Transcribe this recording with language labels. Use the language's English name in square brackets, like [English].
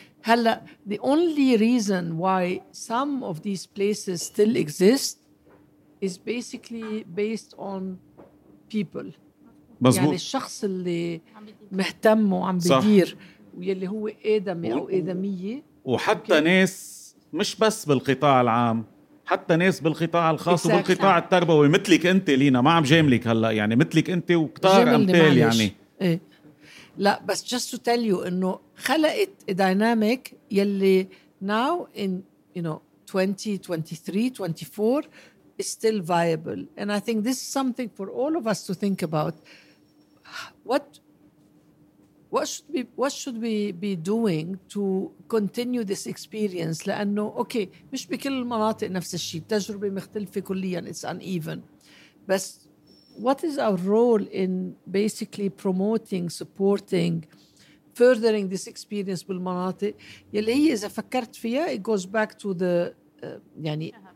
[Arabic] هلا [English] the only reason why some of these places still exist is basically based on people. [Arabic] مزبوط. يعني الشخص اللي مهتم وعم بيدير ويلي هو آدمي أو آدمية وحتى ممكن. ناس مش بس بالقطاع العام حتى ناس بالقطاع الخاص [English] exactly. [Arabic] وبالقطاع التربوي مثلك أنت لينا ما عم جاملك هلا يعني مثلك أنت وكتار أمثال يعني إيه. لا بس [English] just to tell you [Arabic] إنه خلقت ديناميك يلي [English] now in you know 2023-24 is still viable. And I think this is something for all of us to think about. What should we be doing to continue this experience? [Arabic] لأنه, okay, مش بكل المناطق نفس الشيء. تجربة مختلفة كلياً. [English] It's uneven. But what is our role in basically promoting, supporting, furthering this experience [Arabic] بالمناطق? يلي هي إذا فكرت فيها, [English] it goes back to the, [Arabic] يعني,